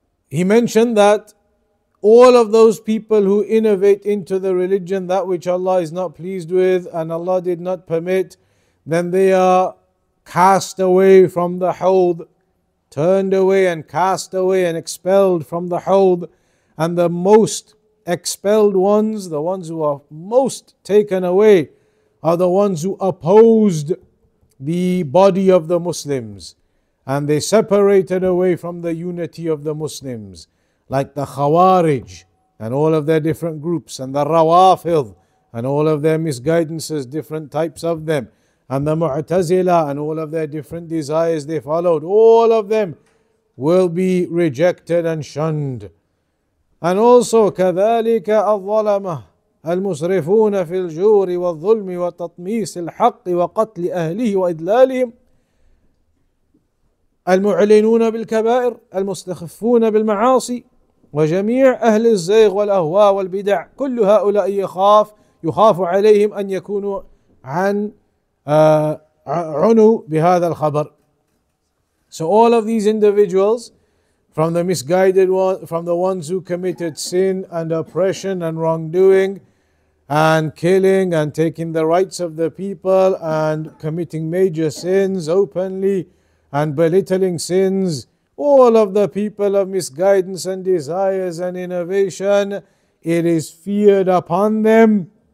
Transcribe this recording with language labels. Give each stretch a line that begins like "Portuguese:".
English: he mentioned that all of those people who innovate into the religion that which Allah is not pleased with and Allah did not permit, then they are cast away from the hold, turned away and cast away and expelled from the hold. And the most expelled ones, the ones who are most taken away, are the ones who opposed the body of the Muslims. And they separated away from the unity of the Muslims, like the Khawarij and all of their different groups, and the Rawafid and all of their misguidances, different types of them, and the Mu'tazila and all of their different desires they followed. All of them will be rejected and shunned. And also,
Arabic: كَذَلِكَ الظَّلَمَةَ الْمُسْرِفُونَ فِي الْجُورِ وَالظُّلْمِ وَتَطْمِيسِ الْحَقِّ وَقَتْلِ أَهْلِهِ وَإِدْلَالِهِمْ المعلنون بالكبائر المستخفون بالمعاصي وجميع أهل الزيغ والأهواء والبدع كل هؤلاء يخاف عليهم أن يكونوا عن عنو بهذا الخبر.
English: So all of these individuals, from the misguided ones, from the ones who committed sin and oppression and wrongdoing and killing and taking the rights of the people and committing major sins openly and belittling sins, all of the people of misguidance and desires and innovation, it is feared upon them